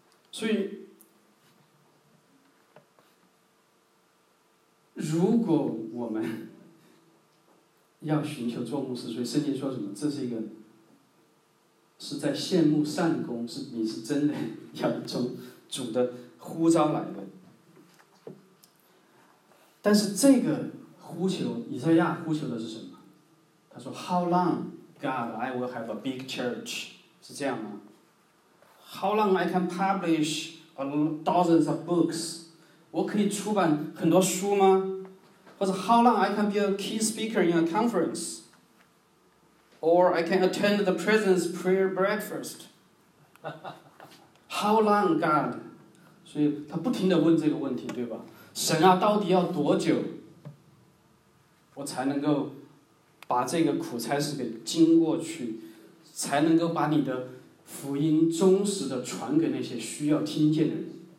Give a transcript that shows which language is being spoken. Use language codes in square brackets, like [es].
[zh] 所以如果我们要寻求做牧师，所以圣经说什么，这是一个是在羡慕善功，是你是真的要从主的呼召来的。但是这个呼求，以赛亚呼求的是什么，他说 [en] How long God I will have a big church, [zh] 是这样吗？ [en] How long I can publish dozens of books? [zh] 我可以出版很多书吗？或者 [en] How long I can be a key speaker in a conference? Or I can attend the president's prayer breakfast? How long, God? [zh] 所以他不停地问这个问题，对吧？神啊，到底要多久我才能够把这个苦差事给经过去，才能够把你的福音忠实的传给那些需要听见的人。